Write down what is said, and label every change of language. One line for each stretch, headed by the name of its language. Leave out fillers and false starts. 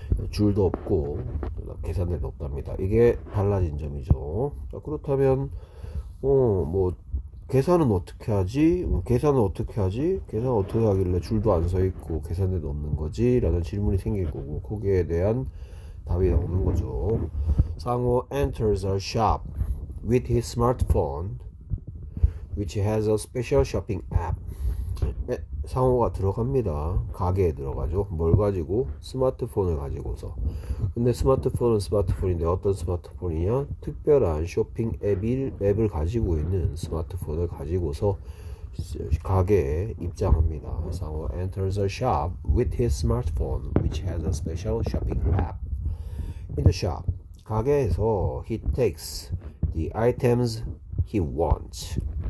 Korean: 줄도 없고 계산대도 없답니다. 이게 달라진 점이죠. 자, 그렇다면 뭐 계산은 어떻게 하지? 계산은 어떻게 하지? 계산 어떻게 하길래 줄도 안서 있고 계산대도 없는 거지? 라는 질문이 생길 거고 거기에 대한 답이 나오는 거죠.
English: 상호 enters a shop with his smartphone, which has a special shopping app.
Korean: 상호가 들어갑니다. 가게에 들어가죠. 뭘 가지고? 스마트폰을 가지고서. 근데 스마트폰은 스마트폰인데 어떤 스마트폰이냐? 특별한 쇼핑 앱을 가지고 있는 스마트폰을 가지고서 가게에 입장합니다.
English: 상호 enters a shop with his smartphone, which has a special shopping app. In the shop, 가게에서 he takes the items he wants.